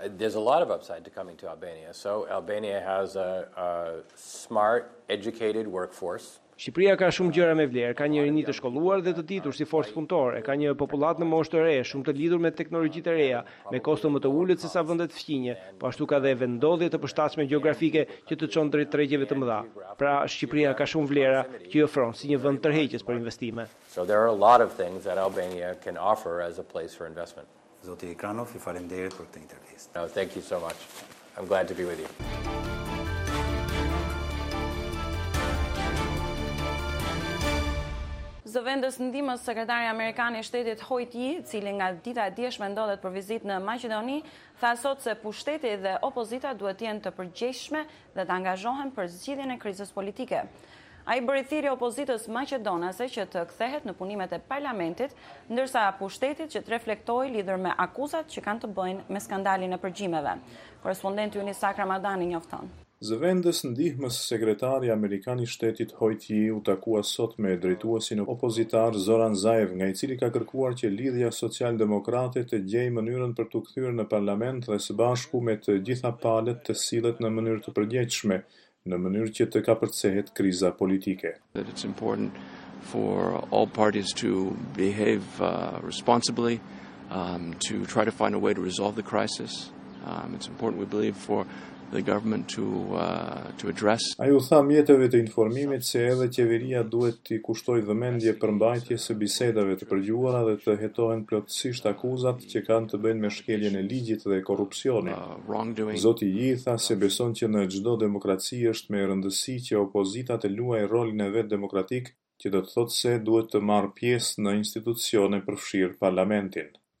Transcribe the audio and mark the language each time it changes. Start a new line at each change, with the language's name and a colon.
English: There's a lot of upside to coming to Albania. So Albania has a smart, educated workforce.
Albanian: Shqipëria ka shumë gjëra me vlerë, ka një rini të shkolluar dhe të ditur si forcë punëtore, ka një popullat në moshë të re, shumë të lidhur me teknologjitë e reja, me kosto më të ulët se sa vendet fqinje, po ashtu ka dhe vendodhje të përshtatshme gjeografike që të çon drejt tregjeve të mëdha. Pra Shqipëria ka shumë vlera që i ofron si një vend tërheqës për investime.
English: So there are a lot of things that Albania can offer as a place for investment.
Albanian: Zoti Kranov, ju faleminderit për këtë intervistë.
English: No, thank you so much. I'm glad to be with you.
Albanian: Zëvendës ndihmës sekretari amerikan i shtetit Hoyt Yee, cili nga dita e djeshme ndodhet për vizitë në Maqedoni, tha sot se pushteti dhe opozita duhet të jenë të përgjegjshme dhe të angazhohen për zgjidhjen e krizës politike. Ai bëri thirrje opozitës maqedonase që të kthehet në punimet e parlamentit, ndërsa pushtetit që të reflektojë lidhur me akuzat që kanë të bëjnë me skandalin e përgjimeve. Korrespondenti ynë Isak Ramadani njofton. Zëvendës ndihmës sekretari amerikan i shtetit Hoyt Yee u takua sot me drejtuesin opozitar Zoran Zaev, nga i cili ka kërkuar që lidhja social-demokrate të gjejë mënyrën për të kthyer në parlament dhe së bashku me të gjitha palët të sillet në mënyrë të përgjegjshme, në mënyrë që të kapërcehet kriza politike.
English: It's important for all parties to behave responsibly, to try to find a way to resolve the crisis. It's important, we believe, for the government to address.
Albanian: Ai u tha mjeteve të informimit se edhe qeveria duhet të kushtojë vëmendje përmbajtjes së bisedave të përgjuara dhe të hetohen plotësisht akuzat që kanë të bëjnë me shkeljen e ligjit dhe korrupsionin. Zoti Yee tha se beson që në çdo demokraci është me rëndësi që opozita të luajë rolin e vet demokratik, që do të thotë se duhet të marrë pjesë në institucione përfshirë parlamentin.